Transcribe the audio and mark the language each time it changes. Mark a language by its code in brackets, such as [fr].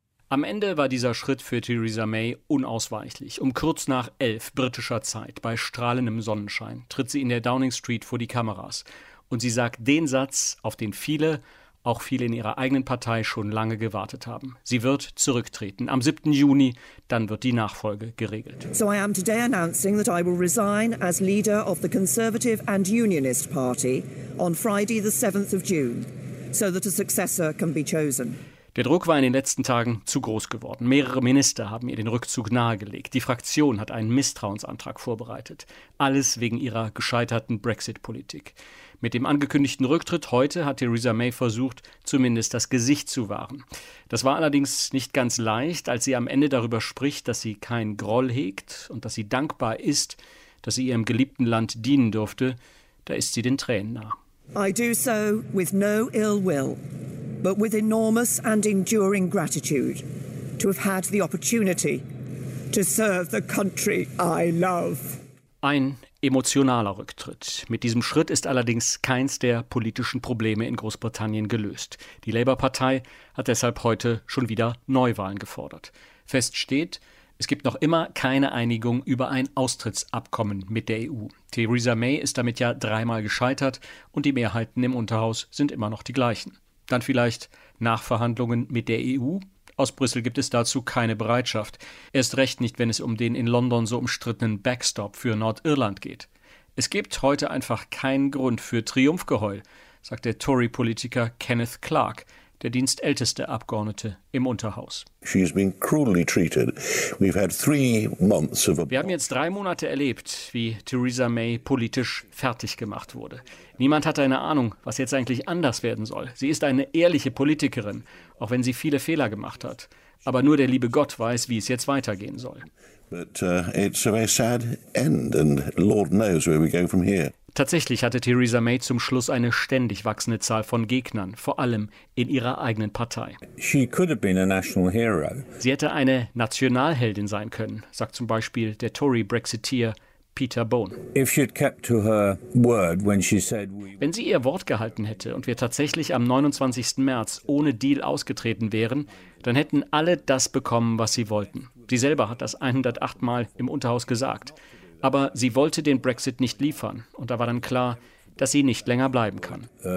[de] Am Ende war dieser Schritt für Theresa May unausweichlich. Um kurz nach 11 britischer Zeit, bei strahlendem Sonnenschein, tritt sie in der Downing Street vor die Kameras. Und sie sagt den Satz, auf den viele, auch viele in ihrer eigenen Partei, schon lange gewartet haben. Sie wird zurücktreten. Am 7. Juni, dann wird die Nachfolge geregelt. [en] So I am today announcing that I will resign as leader of the Conservative and Unionist Party on Friday the 7th of June, so that a successor can be chosen. [de] Der Druck war in den letzten Tagen zu groß geworden. Mehrere Minister haben ihr den Rückzug nahegelegt. Die Fraktion hat einen Misstrauensantrag vorbereitet. Alles wegen ihrer gescheiterten Brexit-Politik. Mit dem angekündigten Rücktritt heute hat Theresa May versucht, zumindest das Gesicht zu wahren. Das war allerdings nicht ganz leicht, als sie am Ende darüber spricht, dass sie keinen Groll hegt und dass sie dankbar ist, dass sie ihrem geliebten Land dienen durfte. Da ist sie den Tränen nah. [en] I do so with no ill will, but with enormous and enduring gratitude to have had the opportunity to serve the country I love. [de] Ein emotionaler Rücktritt. Mit diesem Schritt ist allerdings keins der politischen Probleme in Großbritannien gelöst. Die Labour-Partei hat deshalb heute schon wieder Neuwahlen gefordert. Fest steht, es gibt noch immer keine Einigung über ein Austrittsabkommen mit der EU. Theresa May ist damit ja 3-mal gescheitert und die Mehrheiten im Unterhaus sind immer noch die gleichen. Dann vielleicht Nachverhandlungen mit der EU? Aus Brüssel gibt es dazu keine Bereitschaft. Erst recht nicht, wenn es um den in London so umstrittenen Backstop für Nordirland geht. Es gibt heute einfach keinen Grund für Triumphgeheul, sagt der Tory-Politiker Kenneth Clark, der dienstälteste Abgeordnete im Unterhaus. [en] She's been cruelly treated. We've had 3 months of a... [de] Wir haben jetzt 3 Monate erlebt, wie Theresa May politisch fertig gemacht wurde. Niemand hat eine Ahnung, was jetzt eigentlich anders werden soll. Sie ist eine ehrliche Politikerin, auch wenn sie viele Fehler gemacht hat. Aber nur der liebe Gott weiß, wie es jetzt weitergehen soll. [en] But it's a very sad end and Lord knows where we go from here. [de] Tatsächlich hatte Theresa May zum Schluss eine ständig wachsende Zahl von Gegnern, vor allem in ihrer eigenen Partei. [en] She could have been a national hero. [de] Sie hätte eine Nationalheldin sein können, sagt zum Beispiel der Tory-Brexiteer Peter Bone. [en] If she'd kept to her word when she said we... [de] Wenn sie ihr Wort gehalten hätte und wir tatsächlich am 29. März ohne Deal ausgetreten wären, dann hätten alle das bekommen, was sie wollten. Sie selber hat das 108 Mal im Unterhaus gesagt. Aber sie wollte den Brexit nicht liefern. Und da war dann klar, dass sie nicht länger bleiben kann.